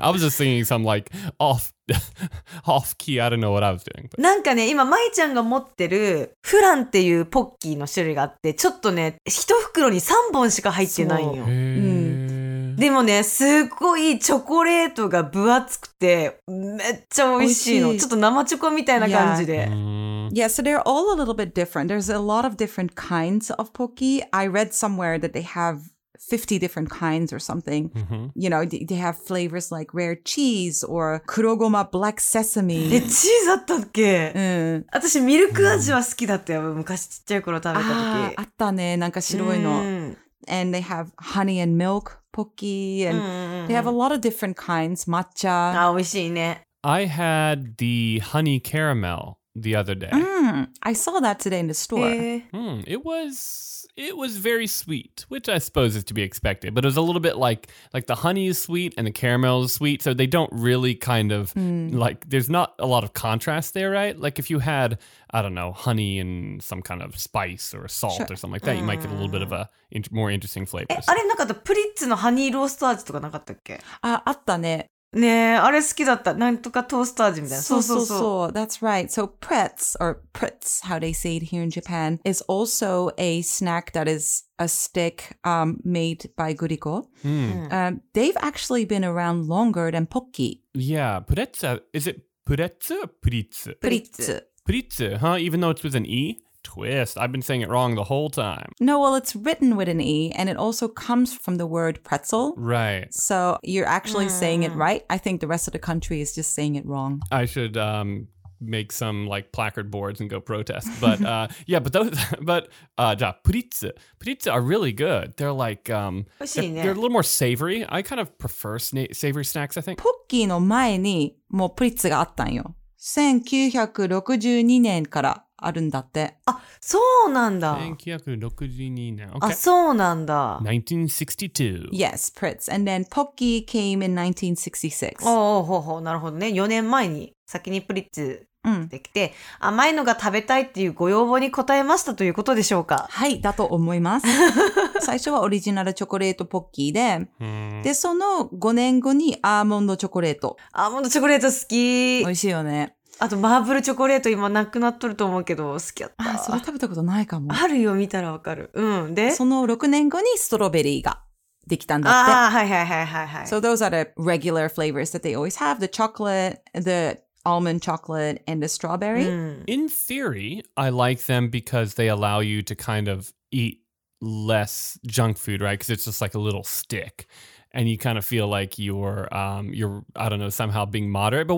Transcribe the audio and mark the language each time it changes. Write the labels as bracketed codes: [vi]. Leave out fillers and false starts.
[en] I was just singing some like off key. I don't know what I was doing. But... [ja] なんかね、今マイちゃんが持ってるフランっていうポッキーの種類があって、ちょっとね、一袋に3本しか入ってないんよ。でもね、すごいチョコレートが分厚くてめっちゃ美味しいの。ちょっと生チョコみたいな感じで。 [en] Yeah, so they're all a little bit different. There's a lot of different kinds of pocky. I read somewhere that they have 50 different kinds or something. Mm-hmm. You know, they have flavors like rare cheese or kurogoma black sesame. [ja] え、チーズあったっけ?うん。私、ミルク味は好きだったよ。昔ちっちゃい頃食べた時。あったね。なんか白いの。 [en] And they have honey and milk pocky. And they have a lot of different kinds. Matcha. [ja] あ、美味しいね。 [en] I had the honey caramel. The other day. I saw that today in the store. It was very sweet, which I suppose is to be expected. But it was a little bit like the honey is sweet and the caramel is sweet. So they don't really kind of, like, there's not a lot of contrast there, right? Like if you had, I don't know, honey and some kind of spice or salt or something like that, you might get a little bit of a more interesting flavor. [ja] あれなかった?プリッツのハニーロースト味とかなかったっけ? あ、あったね。ねえ、あれ好きだった。なんとかトースター味みたいな。そうそうそう。そうそう。 [en] That's right. So pretz, or pretz, how they say it here in Japan, is also a snack that is a stick made by Guriko. They've actually been around longer than pocky. Yeah, pretz, is it pretz or pritz? Pritz. Pritz, huh? Even though it's with an E? Twist. I've been saying it wrong the whole time. No, well, it's written with an E, and it also comes from the word pretzel. Right. So you're actually saying it right. I think the rest of the country is just saying it wrong. I should make some like placard boards and go protest. But yeah, pritze are really good. They're like, they're a little more savory. I kind of prefer savory snacks, I think. [ja] ポッキーの前にもうプリッツがあったんよ。 1962年から。あるんだって。あ、そうなんだ。 1962年。Okay. あ、そうなんだ。 [en] 1962. Yes, Pritz. And then Pocky came in [ja] 1966. おーほーほー、なるほどね。 4年前に先にプリッツできて、甘いのが食べたいっていうご要望に応えましたということでしょうか。はい、だと思います。最初はオリジナルチョコレートポッキーで、で、その5年後にアーモンドチョコレート。アーモンドチョコレート好き。美味しいよね。あとマーブルチョコレート今なくなっとると思うけど好きやった。あ、それ食べたことないかも。あるよ、見たらわかる。うん、でその6年後にストロベリーができたんだって。あ、はいはいはいはいはい。 [en] So those are the regular flavors that they always have. The chocolate, the almond chocolate, and the strawberry. Mm. In theory, I like them because they allow you to kind of eat less junk food, right? Because it's just like a little stick. And you kind of feel like you're, I don't know, somehow being moderate.